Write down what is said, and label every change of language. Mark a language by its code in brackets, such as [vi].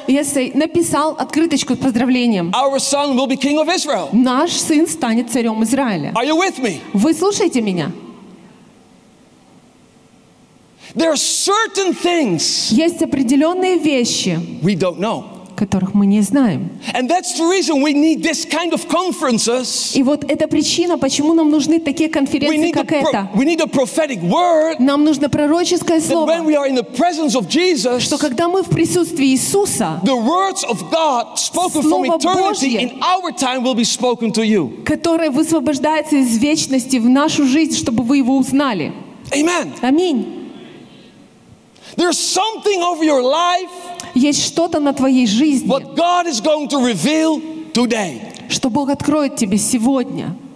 [ru] если написал открыточку с поздравлением, [en] our son will be king of Israel. [ru] Наш сын станет царем Израиля. [en] Are you with me? [ru] Вы слушаете меня? [en] There are certain things. [ru] Есть определенные вещи. [en] We don't know. [ru] Которых мы не знаем. [en] And that's the reason we need this kind of conferences. [ru] И вот это причина, почему нам нужны такие конференции, как эта. [en] We need a prophetic word. [ru] Нам нужно пророческое слово. [en] That when we are in the presence of Jesus, [ru] что когда мы в присутствии Иисуса, [en] the words of God spoken from eternity in our time will be spoken to you. [ru] Которое высвобождается из вечности в нашу жизнь, чтобы вы его узнали. [en] Amen. [ru] Аминь. [en] There's something over your life. [ru] Есть что-то на твоей жизни. [en] What God is going to reveal today. [ru] Что Бог откроет тебе сегодня.